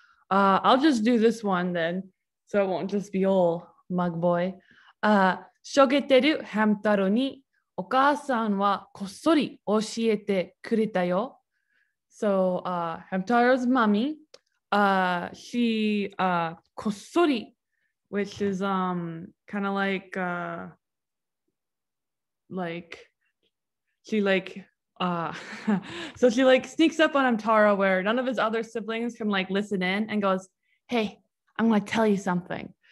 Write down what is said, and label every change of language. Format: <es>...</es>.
<en>I'll just do this one then, so it won't just be all mug boy.</en> <ja>しょげてるハムタロにお母さんはこっそり教えてくれたよ。</ja> <en>So, Hamtaro's mommy, she, こっそり, which is kind of like, she like,so she like sneaks up on Hamtaro where none of his other siblings can like listen in and goes, hey, I'm going to tell you something.</en>